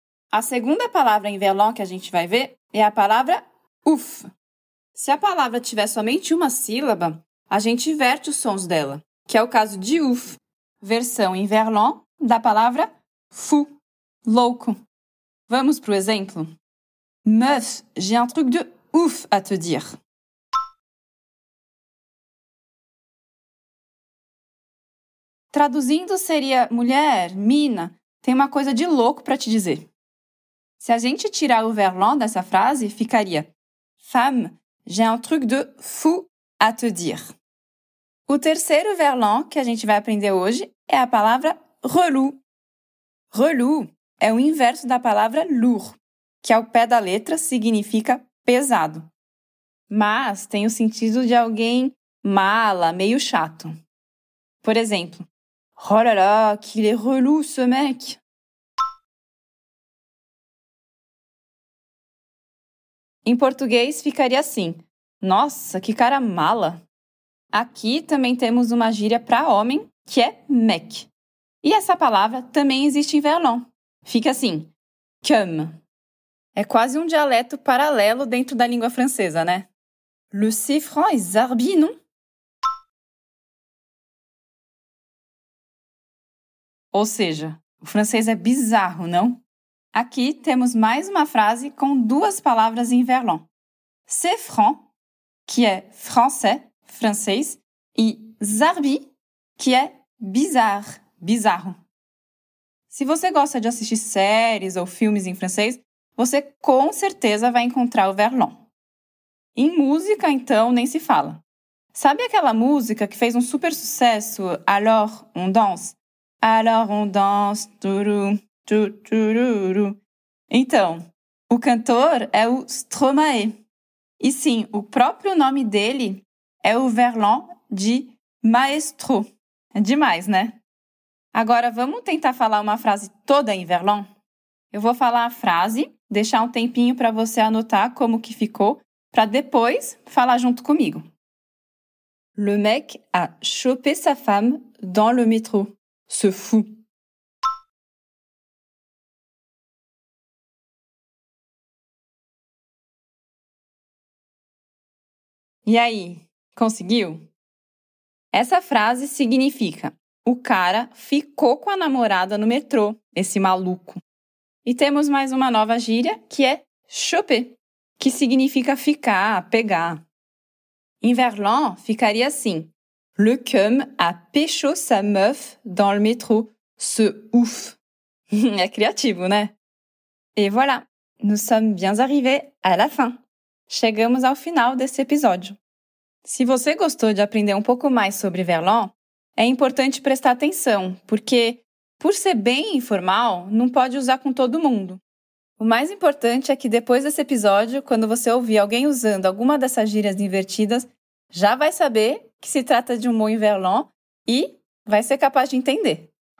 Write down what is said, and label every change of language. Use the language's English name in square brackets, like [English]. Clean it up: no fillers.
[Portuguese] A segunda palavra em verlan que a gente vai ver é a palavra ouf. Se a palavra tiver somente uma sílaba, a gente inverte os sons dela, que é o caso de ouf, versão em verlan da palavra fou, louco. Vamos para o exemplo? [French] Meuf, j'ai un truc de ouf à te dire. [Portuguese] Traduzindo seria mulher, mina, tem uma coisa de louco para te dizer. Se a gente tirar o verlan dessa frase, ficaria [French] femme, j'ai un truc de fou à te dire. [Portuguese] O terceiro verlan que a gente vai aprender hoje é a palavra relou. Relou é o inverso da palavra lourd, que ao pé da letra significa pesado. Mas tem o sentido de alguém mala, meio chato. Por exemplo, [French] oh là là, qu'il est relou ce mec! [Portuguese] Em português ficaria assim, nossa, que cara mala! Aqui também temos uma gíria para homem, que é mec. E essa palavra também existe em verlan. Fica assim, comme. É quase um dialeto paralelo dentro da língua francesa, né? [French] Le siffrant est zarbi, non? [Portuguese] Ou seja, o francês é bizarro, não? Aqui temos mais uma frase com duas palavras em verlan. Siffrant, que é français, francês, e zarbi, que é bizarre, bizarro. Se você gosta de assistir séries ou filmes em francês, você com certeza vai encontrar o verlan. Em música, então, nem se fala. Sabe aquela música que fez um super sucesso, Alors on danse? [French] Alors on danse, turu, tu, tururu. [Portuguese] Então, o cantor é o Stromae. E sim, o próprio nome dele é o verlan de maestro. É demais, né? Agora, vamos tentar falar uma frase toda em verlan? Eu vou falar a frase, deixar um tempinho para você anotar como que ficou, para depois falar junto comigo. [French] Le mec a chopé sa femme dans le métro. Ce fou. [Portuguese] E aí, conseguiu? Essa frase significa: o cara ficou com a namorada no metrô, esse maluco. E temos mais uma nova gíria, que é choper, que significa ficar, pegar. Em verlan, ficaria assim. [French] Le cum a pécho sa meuf dans le métro. Ce ouf. [Portuguese] É criativo, né? [French] E voilà, nous sommes bien arrivés à la fin. [Portuguese] Chegamos ao final desse episódio. Se você gostou de aprender um pouco mais sobre Verlan, é importante prestar atenção, porque, por ser bem informal, não pode usar com todo mundo. O mais importante é que depois desse episódio, quando você ouvir alguém usando alguma dessas gírias invertidas, já vai saber que se trata de um mot em Verlan e vai ser capaz de entender.